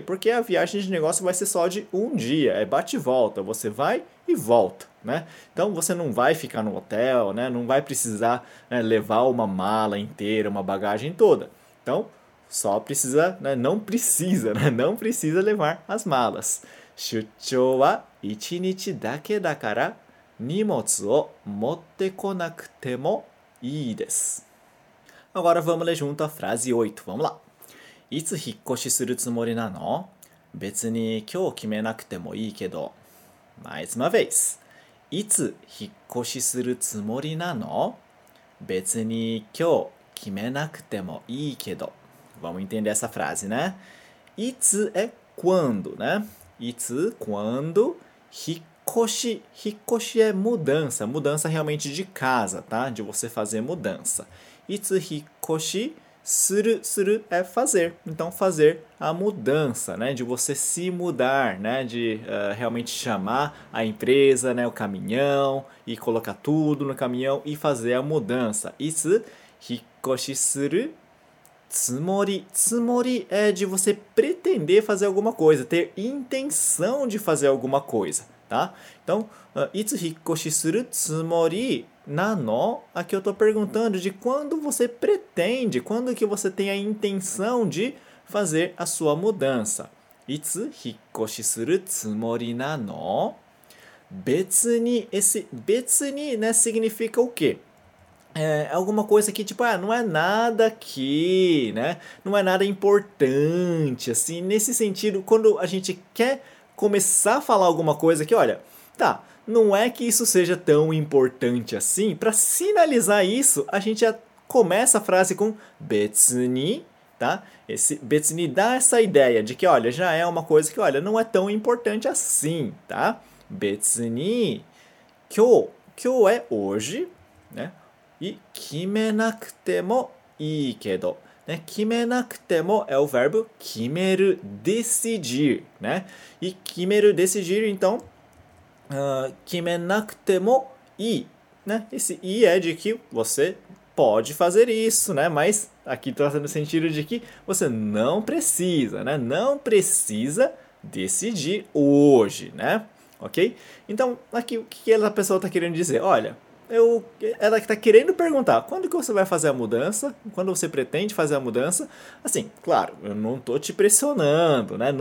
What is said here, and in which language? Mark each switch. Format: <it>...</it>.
<pt>Porque a viagem de negócio vai ser só de um dia, é bate e volta, você vai e volta, né? Então você não vai ficar no hotel, né, não vai precisar, né, levar uma mala inteira, uma bagagem toda. Então só precisa, né, não precisa, né, não precisa levar as malas.</pt> <ja>出張は1日だけだから荷物を持ってこなくてもいいです。</ja> <pt>Agora vamos ler junto a frase 8. Vamos lá.</pt> <ja>いつ引っ越しするつもりなの？別に今日決めなくてもいいけど。</ja> <pt>Mais uma vez。</pt> <ja>いつ引っ越しするつもりなの？別に今日決めなくてもいいけど。</ja> <pt>Vamos entender essa frase, né?</pt> <ja>いつ</ja> <pt>é quando, né?</pt> <ja>いつ、</ja> <pt>quando、</pt> <ja>引っ越し。引っ越し</ja> <pt>é mudança. Mudança realmente de casa, tá? De você fazer mudança.</pt> <ja>Itsu hikkoshi suru</ja> <pt>é fazer. Então, fazer a mudança, né? De você se mudar, né? De realmente chamar a empresa, né? O caminhão e colocar tudo no caminhão e fazer a mudança.</pt> <ja>Itsu hikkoshi suru tsumori.</ja> <pt>Tsumori é de você pretender fazer alguma coisa, ter intenção de fazer alguma coisa, tá? Então,</pt> <ja>itsu hikkoshi suru tsumori na no,</ja> <pt>aqui eu estou perguntando de quando você pretende, quando que você tem a intenção de fazer a sua mudança.</pt> <ja>いつ引っ越しするつもりなの？別に、</ja> <pt>esse 別に、né, significa o quê? É alguma coisa que, tipo, ah, não é nada aqui, né? Não é nada importante, assim, nesse sentido, quando a gente quer começar a falar alguma coisa que, olha, tá. Não é que isso seja tão importante assim. Para sinalizar isso, a gente já começa a frase com betsuni, tá? Esse betsuni dá essa ideia de que, olha, já é uma coisa que, olha, não é tão importante assim, tá? Betsuni, kyo é hoje, né? E kimenakutemo</pt> <ja>いいけど、ね、決めなくても</ja> <pt>é o verbo 決める decidir、ね、e、決める decidir então、</pt> <ja>決めなくてもいい、ね、</ja> <pt>esse いいでき você pode fazer isso、né? mas aqui está no sentido de que você não precisa、né? não precisa decidir hoje、né? ok? então aqui o que a pessoa está querendo dizer? olhaEla está querendo perguntar, quando que você vai fazer a mudança? Quando você pretende fazer a mudança? Assim, claro, eu não estou te pressionando, né?</pt>